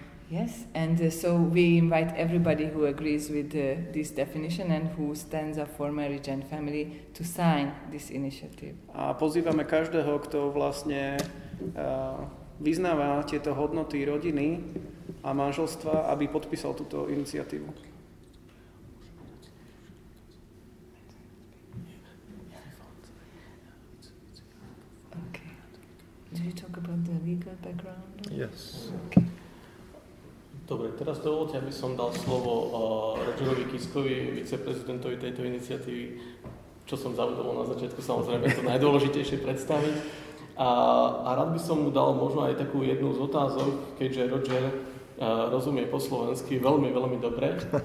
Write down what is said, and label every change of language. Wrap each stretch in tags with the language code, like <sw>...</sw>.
<en>Yes, and so we invite everybody who agrees with this definition and who stands up for marriage and family to sign this initiative.</en> <sk>A pozývame každého, kto vlastne vyznáva tieto hodnoty rodiny a manželstva, aby podpísal túto iniciatívu.</sk> <en>Do you talk about the legal background? Yes. Okay.</en> <sk>Dobre, teraz dovolte, aby som dal slovo Rogerovi Kiskovi, viceprezidentovi tejto iniciatívy, čo som zabudol na začiatku, samozrejme to najdôležitejšie predstaviť. A rád by som mu dal možno aj takú jednu z otázok, keďže Roger rozumie po slovensky veľmi, veľmi dobre.</sk>